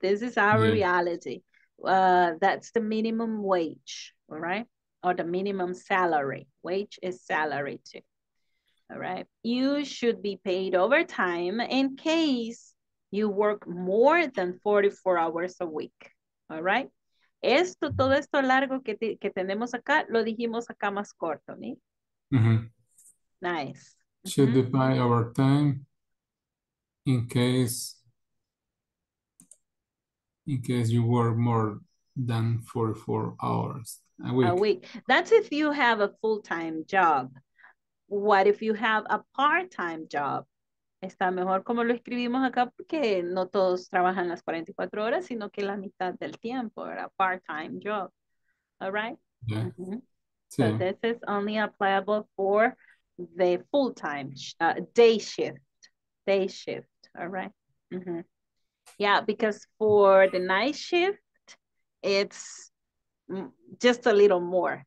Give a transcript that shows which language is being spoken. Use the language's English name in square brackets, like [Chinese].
[English] This is our reality. That's the minimum wage, all right? Or the minimum salary. Wage is salary too. All right. You should be paid overtime in case you work more than 44 hours a week. All right. [Spanish] Esto, todo esto largo que tenemos acá, lo dijimos acá más corto, ¿no? Mm-hmm. [English] Nice. Should be paid overtime in case you work more than 44 hours. A week. That's if you have a full-time job. What if you have a part-time job? [Spanish] Está mejor como lo escribimos acá porque no todos trabajan las 44 horas, sino que la mitad del tiempo era part-time job. [English] All right? Yeah. Mm-hmm. Sí. So this is only applicable for the full-time day shift. All right? Mm-hmm. Yeah, because for the night shift, it's just a little more.